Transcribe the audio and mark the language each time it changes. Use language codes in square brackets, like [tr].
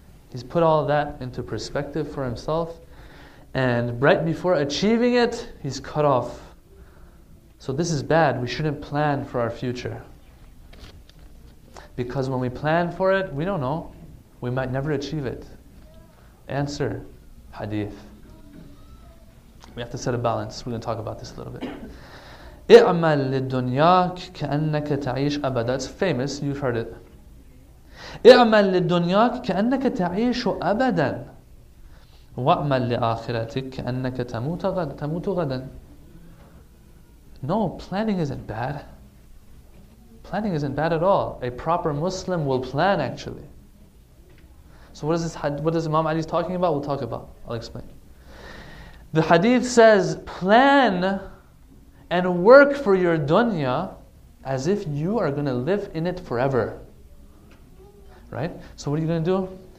[en] He's put all that into perspective for himself, and right before achieving it, he's cut off. So this is bad. We shouldn't plan for our future. Because when we plan for it, we don't know. We might never achieve it. Answer, hadith. We have to set a balance. We're going to talk about this a little bit. [ar] اعمل للدنيا كأنك تعيش أبدا. [en] That's famous. You've heard it. [ar] اعمل للدنيا كأنك تعيش أبدا. واعمل لآخرتك كأنك تموت غدا. [en] No, planning isn't bad. Planning isn't bad at all. A proper Muslim will plan, actually. So what is this? What is Imam Ali talking about? We'll talk about. I'll explain. The hadith says, plan and work for your dunya as if you are going to live in it forever. Right? So what are you going to do?